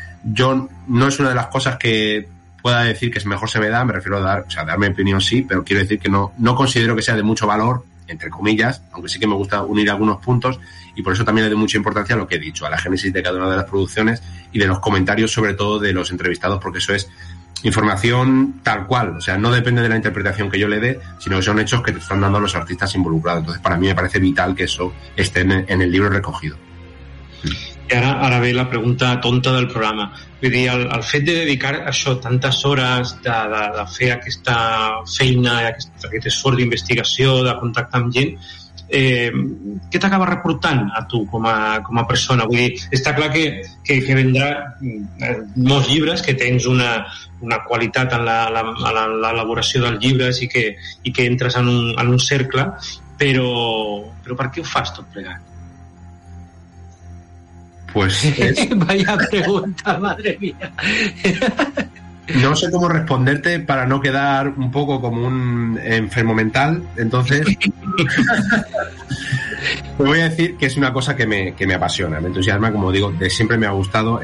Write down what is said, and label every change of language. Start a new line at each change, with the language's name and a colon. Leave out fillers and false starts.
Spanish: Yo no es una de las cosas que pueda decir que mejor se me da, me refiero a dar, o sea, dar mi opinión sí, pero quiero decir que no considero que sea de mucho valor, entre comillas, aunque sí que me gusta unir algunos puntos, y por eso también le doy mucha importancia a lo que he dicho, a la génesis de cada una de las producciones y de los comentarios, sobre todo de los entrevistados, porque eso es información tal cual, o sea, no depende de la interpretación que yo le dé, sino que son hechos que te están dando los artistas involucrados. Entonces, para mí me parece vital que eso esté en el libro recogido.
Catalan: I ara ve la pregunta tonta del programa. Vull dir, el fet de dedicar això tantes hores de fer aquesta feina, aquest esforç d'investigació, de contactar amb gent, què t'acaba reportant a tu com a persona? Vull dir, està clar que vendrà molts llibres, que tens una qualitat en l'elaboració dels llibres i que entres en un cercle, però per què ho fas tot plegat?
Spanish: Pues vaya pregunta, madre mía. No sé cómo responderte para no quedar un poco como un enfermo mental, entonces pues voy a decir que es una cosa que me apasiona, me entusiasma, como digo, de siempre me ha gustado.